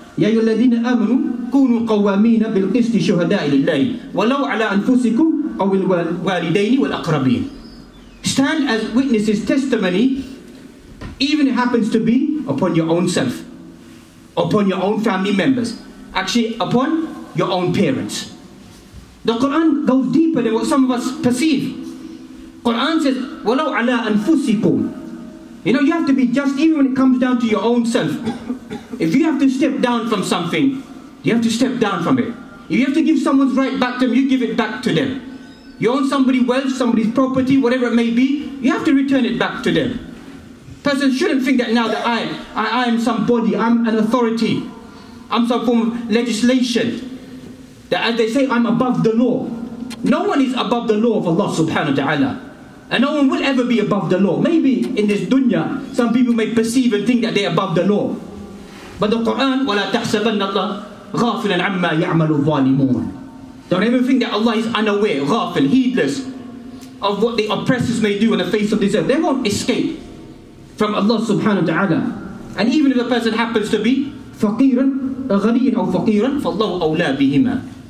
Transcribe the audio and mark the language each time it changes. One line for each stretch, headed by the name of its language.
Arabic: يَا أَيُّهَا الَّذِينَ آمَنُوا كُونُوا قَوَّامِينَ بِالْقِسْطِ شُهَدَاءَ لِلَّهِ وَلَوْ عَلَىٰ أَنفُسِكُمْ أَوْ الْوَالِدَيْنِ وَالْأَقْرَبِينَ.
English: Stand as witnesses, testimony, even it happens to be upon your own self, upon your own family members, actually upon your own parents. The Quran goes deeper than what some of us perceive. Quran says,
Arabic: وَلَوْ عَلَىٰ أَنفُسِكُمْ.
English: You know, you have to be just even when it comes down to your own self. If you have to step down from something, you have to step down from it. If you have to give someone's right back to them, you give it back to them. You own somebody's wealth, somebody's property, whatever it may be, you have to return it back to them. Person shouldn't think that now that I am somebody, I'm an authority, I'm some form of legislation, that as they say, I'm above the law. No one is above the law of Allah subhanahu wa ta'ala. And no one will ever be above the law. Maybe in this dunya, some people may perceive and think that they're above the law. But the Quran,
Arabic: وَلَا تَحْسَبَنَّ اللَّهِ غَافِلًا عَمَّا يَعْمَلُ الظَّالِمُونَ.
English: Don't ever think that Allah is unaware, غافل, heedless of what the oppressors may do on the face of this earth. They won't escape from Allah subhanahu wa ta'ala. And even if a person happens to be
Arabic: فَقِيرًا غَنِيًا أَوْ فَقِيرًا فَاللَّهُ أَوْلَى بِهِمَا.